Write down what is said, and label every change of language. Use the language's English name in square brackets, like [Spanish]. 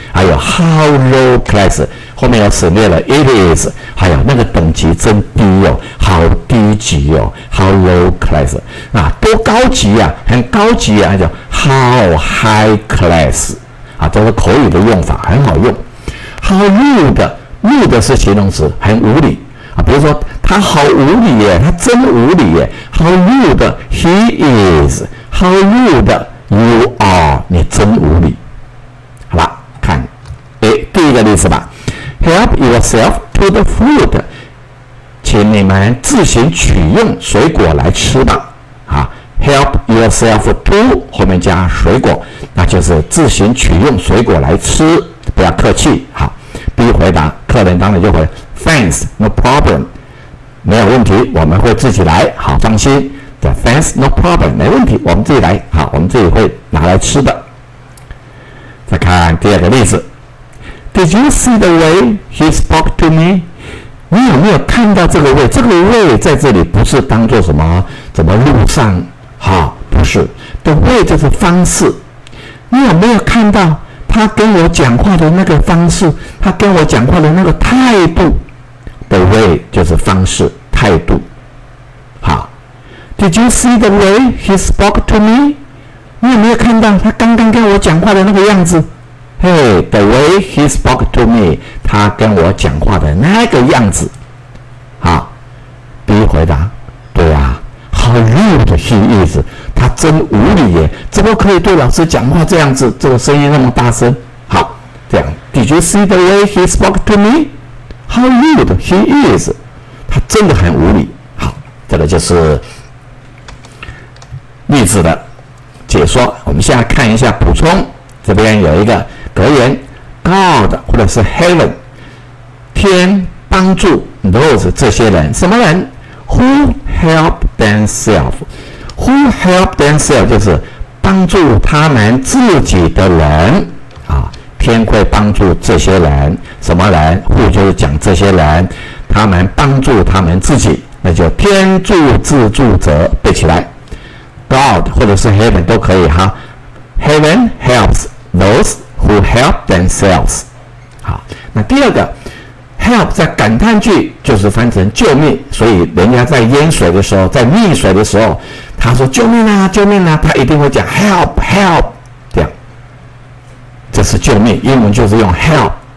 [Chinese] 还有 [English] how low class， [Chinese] 后面有省略了 [English] it is， [Chinese] 还有那个等级真低哦，好低级哦， how low class 啊，多高级啊，很高级啊，叫 [English] how high class [Chinese] 啊，这是口语的用法，很好用。 how rude， rude 是形容词，很无理啊，比如说他好无理耶，他真无理耶。 [English] how rude he is。 How rude you are， [Chinese] 你真无理。好了，看诶第一个例子吧。 [English] Help yourself to the food， [Chinese] 请你们自行取用水果来吃吧。啊， [English] Help yourself to [Chinese] 后面加水果，那就是自行取用水果来吃，不要客气。好， B 回答，客人当然就会 [English] Thanks， no problem， [Chinese] 没有问题，我们会自己来，好，放心。 [English] The thanks, no problem， [Chinese] 没问题，我们自己来，好，我们自己会拿来吃的。再看第二个例子， [English] Did you see the way he spoke to me？ [Chinese] 你有没有看到这个way？ 这个way在这里不是当做什么怎么路上，好，不是 ， [English] the way [Chinese] 就是方式。你有没有看到他跟我讲话的那个方式？他跟我讲话的那个态度 ， [English] the way [Chinese] 就是方式、态度。 [English] Did you see the way he spoke to me？ [Chinese] 你有没有看到他刚刚跟我讲话的那个样子？ [English] Hey， the way he spoke to me， [Chinese] 他跟我讲话的那个样子。好， B 回答，对啊， [English] How rude he is， [Chinese] 他真无理耶，怎么可以对老师讲话这样子，这个声音那么大声。好，这样， [English] Did you see the way he spoke to me？ How rude he is， [Chinese] 他真的很无理。好，这个就是例子的解说，我们现在看一下补充。这边有一个格言 ，God 或者是 Heaven， 天帮助 those 这些人，什么人 ？ [English] Who help themselves？ Who help themselves [Chinese] 就是帮助他们自己的人啊。天会帮助这些人，什么人 ？Who 就是讲这些人，他们帮助他们自己，那就天助自助者，背起来。God 或者是 Heaven 都可以哈， [English] Heaven helps those who help themselves. [Chinese] 好，那第二个 help 在感叹句就是翻成救命，所以人家在淹水的时候，在溺水的时候，他说救命啊，救命啊，他一定会讲 [English] help help [Chinese] 这样，这是救命，英文就是用 help。